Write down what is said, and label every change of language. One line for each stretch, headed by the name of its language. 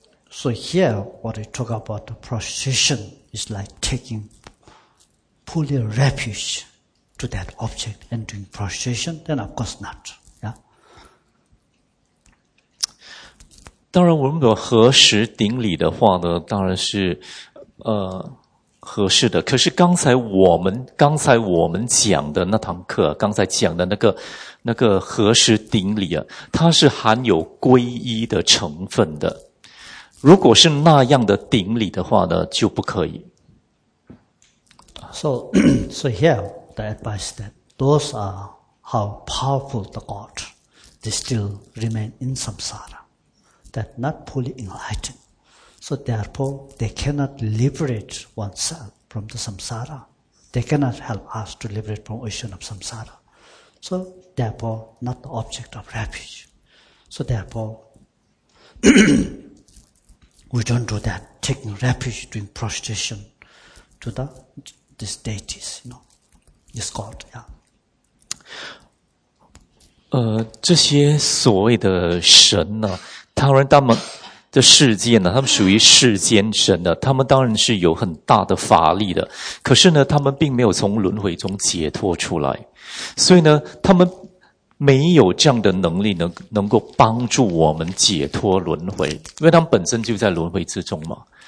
English: So here, what we talk about the prostration is like taking, pulling refuge to that object and doing prostration. Then of course not.
Chinese: 当然我们有合十顶礼的话呢，当然是合适的。可是刚才我们讲的那堂课，刚才讲的那个合十顶礼啊，它是含有皈依的成分的。如果是那样的顶礼的话呢，就不可以。
English: So here the advice that those are how powerful the God, they still remain in samsara. That not fully enlightened. So therefore, they cannot liberate oneself from the samsara. They cannot help us to liberate from ocean of samsara. So therefore, not the object of refuge. So therefore, we don't do that, taking refuge, doing prostration to these deities, you know, this god, yeah.
Chinese: 这些所谓的神呢、啊当然他们的世间呢，他们属于世间神的，他们当然是有很大的法力的，可是呢他们并没有从轮回中解脱出来，所以呢他们没有这样的能力能够帮助我们解脱轮回，因为他们本身就在轮回之中嘛。